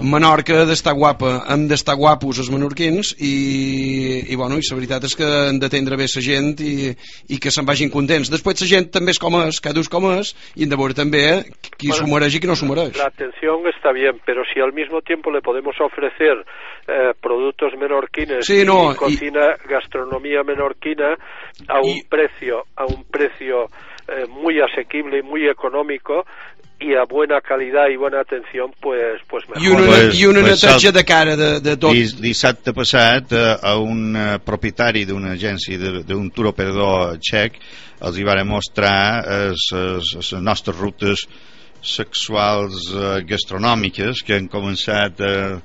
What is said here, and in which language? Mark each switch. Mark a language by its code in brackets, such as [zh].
[ca] Menorca d'estar guapa, hem d'estar guapos els menorquins i bueno, i la veritat és que han d'atendre bé la gent i que se'n vagin contents. Després la gent també és com és, cada un com és, i hem de veure també qui s'ho mereix i qui no s'ho mereix. L'atenció està bé, però si [es] al mismo tiempo le podemos ofrecer productos menorquines, sí, no, i cocina, [ca] gastronomia menorquina [es] a un precio muy asequible y muy económico y a buena calidad y buena atención, pues mejor. [ca] Y una netatge de cara de tot. Dissabte passat, a un propietari d'una agència, d'un tour operador txec, els hi van mostrar les nostres rutes sexuals gastronòmiques que han començat a...